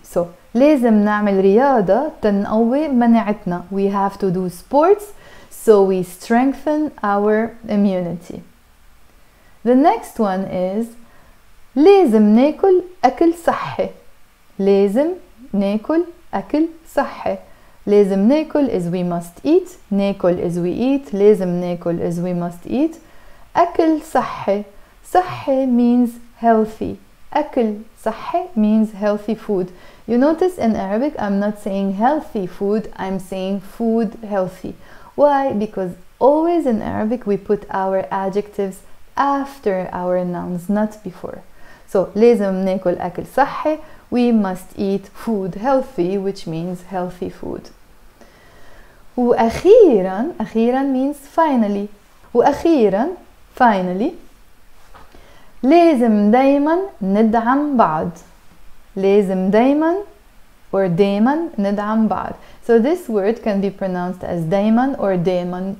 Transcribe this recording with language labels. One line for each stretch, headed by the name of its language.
Arabic: So لازم نعمل رياضة تنقوي مناعتنا.
English: We have to do sports so we strengthen our immunity. The next one is
Arabic: لازم ناكل أكل صحي. لازم ناكل أكل صحي. لازم ناكل
English: is we must eat. ناكل is we eat. لازم ناكل is we must eat.
Arabic: أكل صحي. صحي means healthy.
English: أكل صحي means healthy food. You notice in Arabic, I'm not saying healthy food. I'm saying food healthy. Why? Because always in Arabic, we put our adjectives after our nouns, not before.
Arabic: So, لازم ناكل أكل صحي.
English: We must eat food healthy, which means healthy food. وأخيراً, أخيراً means finally.
Arabic: وأخيراً,
English: finally.
Arabic: لازم دايماً ندعم بعض. لازم دايماً or دايماً ندعم بعض.
English: So this word can be pronounced as دايماً or دايماً.